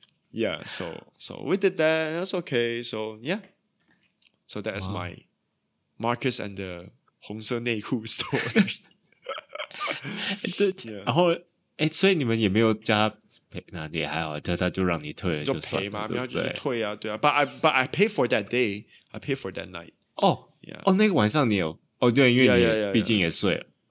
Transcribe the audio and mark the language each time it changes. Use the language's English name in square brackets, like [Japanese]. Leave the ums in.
[English] Yeah, so so we did that. That's okay. So yeah, so that is wow. my Marcus and the [Chinese] 红色内裤 [English] story. [Chinese] 对，yeah. 然后 哎，所以你们也没有加赔，那也还好，他他就让你退了就算嘛，对不对？退啊，对啊。 [English] But I but I pay for that day, I pay for that night. [Chinese] 哦哦，那个晚上你有哦，对，因为你毕竟也睡了，